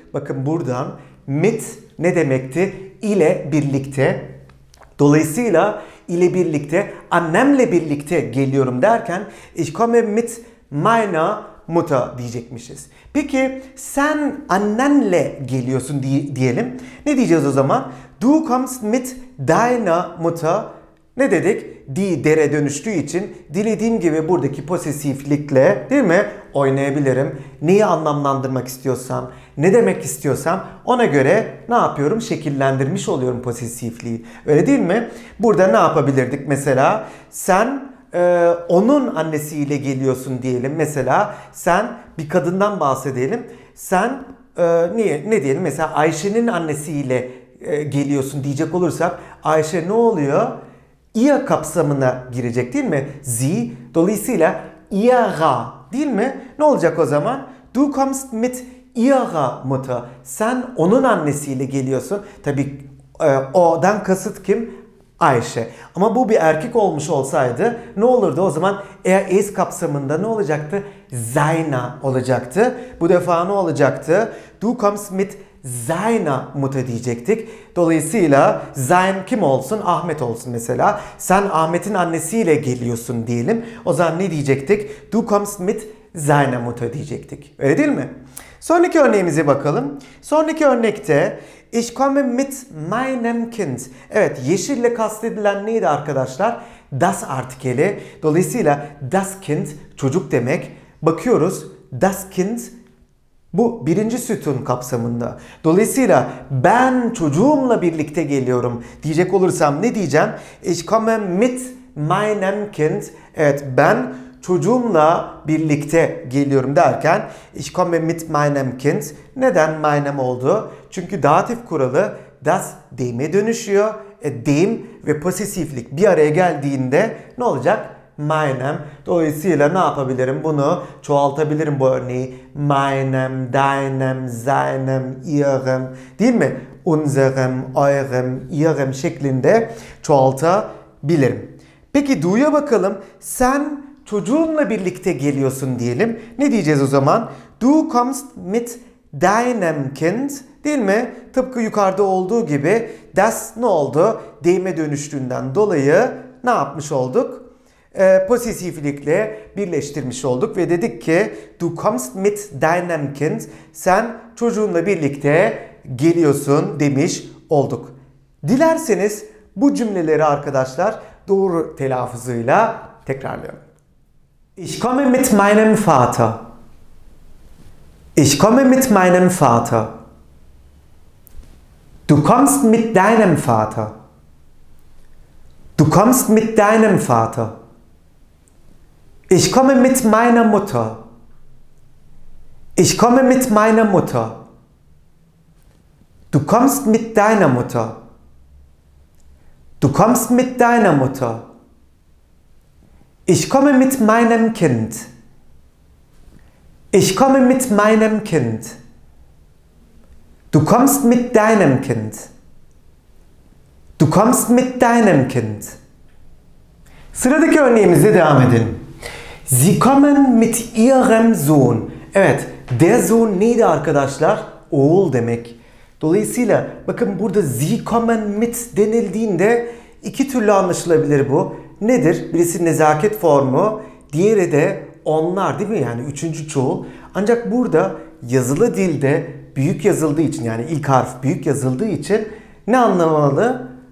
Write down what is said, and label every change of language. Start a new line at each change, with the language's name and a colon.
Turkish: Bakın buradan mit ne demekti? İle birlikte. Dolayısıyla ile birlikte, annemle birlikte geliyorum derken
German: ich komme mit meiner Mutter
Turkish: diyecekmişiz. Peki sen annenle geliyorsun diyelim. Ne diyeceğiz o zaman?
German: Du kommst mit deiner Mutter.
Turkish: Ne dedik? Die dere dönüştüğü için dilediğim gibi buradaki posesiflikle, değil mi, oynayabilirim. Neyi anlamlandırmak istiyorsam, ne demek istiyorsam ona göre ne yapıyorum? Şekillendirmiş oluyorum posesifliği. Öyle değil mi? Burada ne yapabilirdik mesela? Sen onun annesiyle geliyorsun diyelim. Mesela sen bir kadından bahsedelim. Sen ne diyelim? Mesela Ayşe'nin annesiyle geliyorsun diyecek olursak Ayşe ne oluyor? İya kapsamına girecek değil mi? Sie, dolayısıyla ihre, değil mi? Ne olacak o zaman?
German: Du kommst mit ihrer Mutter.
Turkish: Sen onun annesiyle geliyorsun. Tabii o'dan kasıt kim? Ayşe. Ama bu bir erkek olmuş olsaydı ne olurdu o zaman? Er ist kapsamında ne olacaktı? Seine olacaktı. Bu defa ne olacaktı?
German: Du kommst mit Zayna Mut'a
Turkish: diyecektik. Dolayısıyla Zayn kim olsun? Ahmet olsun mesela. Sen Ahmet'in annesiyle geliyorsun diyelim. O zaman ne diyecektik?
German: Du kommst mit Zayna Mut'a
Turkish: diyecektik. Öyle değil mi? Sonraki örneğimize bakalım. Sonraki örnekte
German: Ich komme mit meinem Kind.
Turkish: Evet, yeşille kastedilen neydi arkadaşlar? Das artikeli. Dolayısıyla das Kind çocuk demek. Bakıyoruz das Kind. Bu birinci sütun kapsamında. Dolayısıyla ben çocuğumla birlikte geliyorum diyecek olursam ne diyeceğim?
German: Ich komme mit meinem Kind.
Turkish: Evet, ben çocuğumla birlikte geliyorum derken
German: Ich komme mit meinem Kind.
Turkish: Neden meinem oldu? Çünkü datif kuralı das dem'e dönüşüyor. Dem ve posesiflik bir araya geldiğinde ne olacak? Meinem. Dolayısıyla ne yapabilirim? Bunu çoğaltabilirim bu örneği.
German: Meinem, deinem, seinem, ihrem.
Turkish: Değil mi?
German: Unserem, eurem, ihrem
Turkish: şeklinde çoğaltabilirim. Peki Du'ya bakalım. Sen çocuğunla birlikte geliyorsun diyelim. Ne diyeceğiz o zaman?
German: Du kommst mit deinem Kind.
Turkish: Değil mi? Tıpkı yukarıda olduğu gibi das ne oldu? Deme dönüştüğünden dolayı ne yapmış olduk? Posesiflikle birleştirmiş olduk ve dedik ki
German: Du kommst mit deinem Kind.
Turkish: Sen çocuğunla birlikte geliyorsun demiş olduk. Dilerseniz bu cümleleri arkadaşlar doğru telaffuzuyla tekrarlıyorum.
German: Ich komme mit meinem Vater. Ich komme mit meinem Vater. Du kommst mit deinem Vater. Du kommst mit deinem Vater. Ich komme mit meiner Mutter. Ich komme mit meiner Mutter. Du kommst mit deiner Mutter. Du kommst mit deiner Mutter. Ich komme mit meinem Kind. Ich komme mit meinem Kind. Du kommst mit deinem Kind. Du kommst mit deinem Kind.
Turkish: Sıradaki örneğimize devam edelim.
German: Sie kommen mit ihrem Sohn.
Turkish: Evet, der Sohn neydi arkadaşlar? Oğul demek. Dolayısıyla bakın burada
German: Sie kommen mit
Turkish: denildiğinde iki türlü anlaşılabilir bu. Nedir? Birisi nezaket formu, diğeri de onlar, değil mi? Yani üçüncü çoğul. Ancak burada yazılı dilde büyük yazıldığı için, yani ilk harf büyük yazıldığı için ne anlamalı?